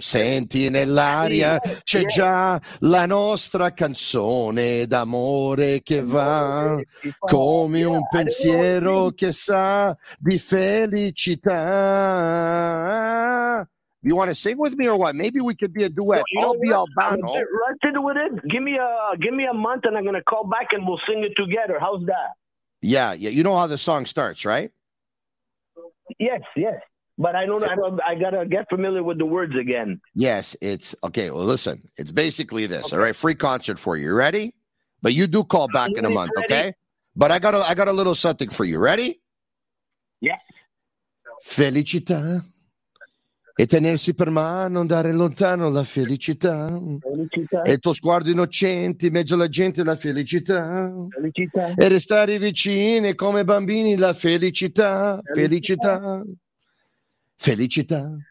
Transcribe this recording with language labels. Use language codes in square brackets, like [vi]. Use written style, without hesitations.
[it] Senti nell'aria c'è già la nostra canzone d'amore che va come un pensiero che sa di felicità. [en] You want to sing with me or what? Maybe we could be a duet. Well, I'll be Albano. Let's do it. Give me a month and I'm going to call back and we'll sing it together. How's that? Yeah. You know how the song starts, right? Yes. But I don't know. I got to get familiar with the words again. Yes, it's okay. Well, listen, it's basically this. Okay. All right. Free concert for you. Ready? But you do call back in a month. Ready. Okay. But I got a little something for you. Ready? Yes. [it] Felicità. E tenersi per mano, andare lontano, la felicità. Felicità. E il tuo sguardo innocente, in mezzo alla gente, la felicità. Felicità. E restare vicini come bambini, la felicità. Felicità. Felicità. Felicità.